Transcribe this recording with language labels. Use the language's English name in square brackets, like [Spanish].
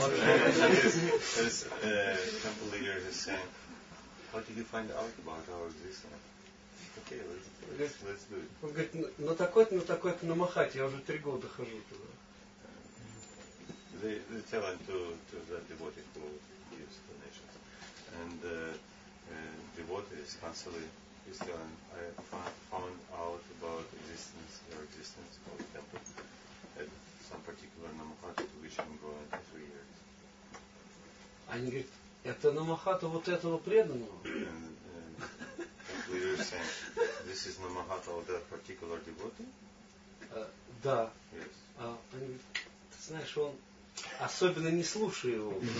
[English] Temple leaders are saying, how did you find out about our existence? Okay, let's do it. [Russian] Он говорит, на такой-то на Махате, я уже 3 года хожу туда. [English] They tell him to the devotee who gives donations. And devotee is constantly is telling, I found out about existence, your existence of the temple at some particular Namahata to which I'm going for 3 years. [Russian] Они говорят, это Намахата вот этого преданного. [English] And we were saying, this is Намахата of that particular devotee? [Russian] Да. [English] Yes. [Russian] Они говорят, ты знаешь, он особенно не слушает его.